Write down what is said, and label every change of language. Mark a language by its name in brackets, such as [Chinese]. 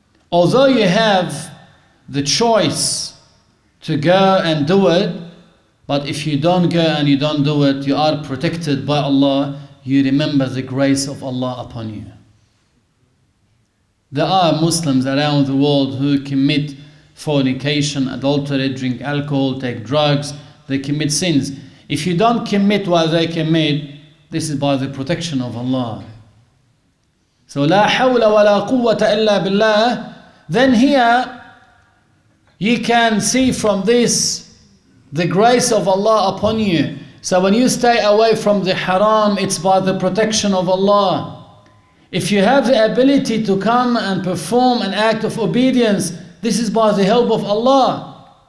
[English] Although you have the choice to go and do it, but if you don't go and you don't do it, you are protected by Allah, you remember the grace of Allah upon you. There are Muslims around the world who commit fornication, adultery, drink alcohol, take drugs, they commit sins. If you don't commit what they commit, this is by the protection of Allah. [Arabic] So, لا حول ولا قوة إلا بالله. [English] Then here, you can see from this the grace of Allah upon you. So when you stay away from the haram, it's by the protection of Allah. If you have the ability to come and perform an act of obedience, this is by the help of Allah.